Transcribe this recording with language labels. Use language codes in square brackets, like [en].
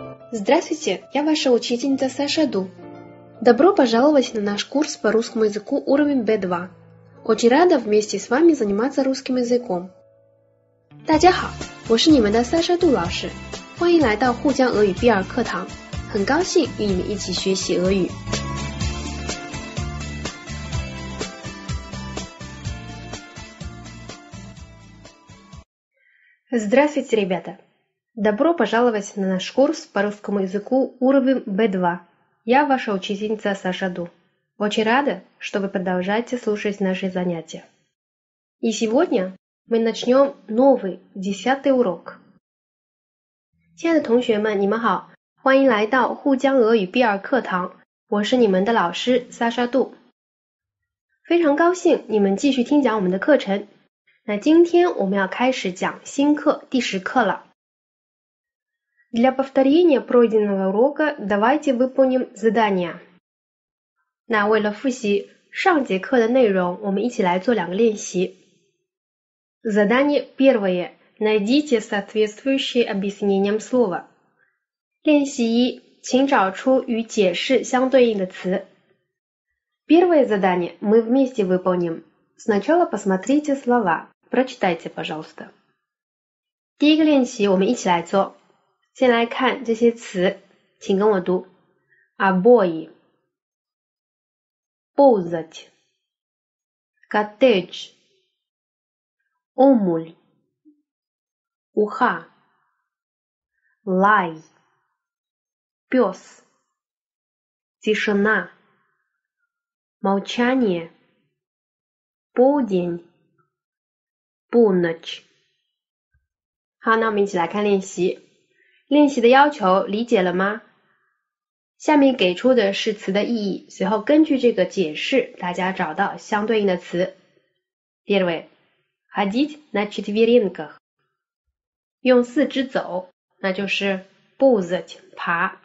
[ru] Здравствуйте, я ваша учительница Саша Ду. Добро пожаловать на наш курс по русскому языку уровень B2. Очень рада вместе с вами заниматься русским языком. [zh] 大家好，我是你们的 Саша Ду 老师，欢迎来到沪江俄语 B2 课堂，很高兴与你们一起学习俄语。 [ru] Здравствуйте, ребята! Добро пожаловать на наш курс по русскому языку уровень B2. Я ваша учительница Саша Ду. Очень рада, что вы продолжаете слушать наши занятия. И сегодня мы начнем новый, 10-й урок. [zh] 亲爱的同学们，你们好，欢迎来到沪江俄语 B2 课堂。我是你们的老师 Саша Ду。非常高兴你们继续听讲我们的课程。那今天我们要开始讲新课第十课了。 [ru] Для повторения пройденного урока давайте выполним задание. [zh] 那为了复习上节课的内容，我们一起来做两个练习。 [ru] Задание первое. Найдите соответствующие объяснениям слова. [zh] 练习一，请找出与解释相对应的词。 [ru] Первое задание мы вместе выполним. Сначала посмотрите слова. Прочитайте, пожалуйста. [zh] 第一个练习我们一起来做。先来看这些词，请跟我读。 [ru] Обои, ползать, коттедж, омуль, уха, лай, пес, тишина, молчание, полдень,полночь. [zh] 好，那我们一起来看练习。练习的要求理解了吗？下面给出的是词的意义，随后根据这个解释，大家找到相对应的词。第二位 ， [ru] ходить на четвереньках， [zh] 用四肢走，那就是 ползать 爬。